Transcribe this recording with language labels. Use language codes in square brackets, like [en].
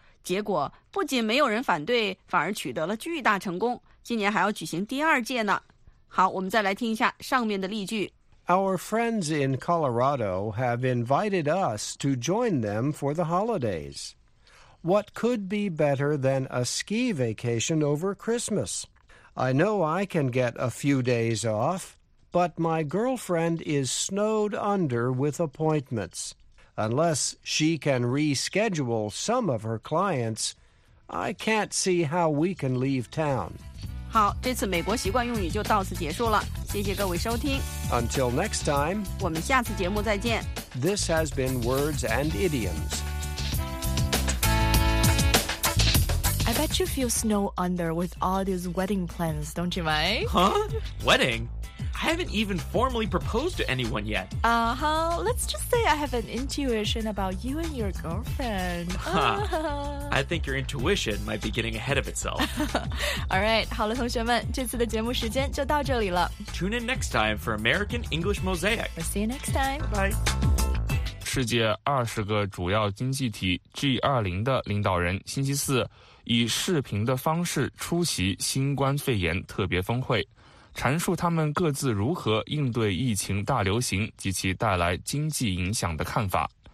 [zh] 结果不仅没有人反对，反而取得了巨大成功，今年还要举行第二届呢。好，我们再来听一下上面的例句。 [en] Our friends in Colorado have invited us to join them for the holidays. What could be better than a ski vacation over Christmas? I know I can get a few days off, but my girlfriend is snowed under with appointments. Unless she can reschedule some of her clients, I can't see how we can leave town. [zh] 好，这次美国习惯用语就到此结束了，谢谢各位收听。 [en] Until next time, [zh] 我们下次节目再见。 [en] This has been Words and Idioms. I bet you feel snow under with all these wedding plans, don't you, Mai? Huh? Wedding? I haven't even formally proposed to anyone yet. Uh-huh. Let's just say I have an intuition about you and your girlfriend. Huh. I think your intuition might be getting ahead of itself. All right. [zh] 好了，同学们，这次的节目时间就到这里了。 [en] Tune in next time for American English Mosaic. We'll see you next time. Bye-bye. [zh] 世界20个主要经济体 G20 的领导人星期四以视频的方式出席新冠肺炎特别峰会，阐述他们各自如何应对疫情大流行及其带来经济影响的看法。